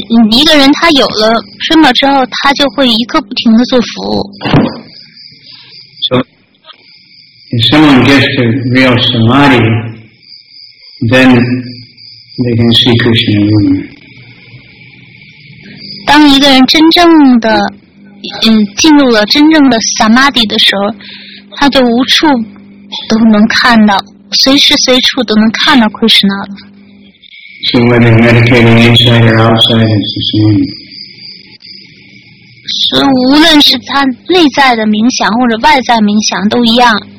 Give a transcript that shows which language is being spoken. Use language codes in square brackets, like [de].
[zh] 一个人他有了身宝之后，他就会一刻不停地做服务。 [en] So, if someone gets to real samadhi, then they can see Krishna moving. [zh] 当一个人真正的进入了真正的 samadhi 的时候，他就无处都能看到，随时随处都能看到 Krishna 了。 [en] So whether you're meditating inside or outside, it's the same. [zh] So, 无论是他内在的冥想或者外在冥想都一样。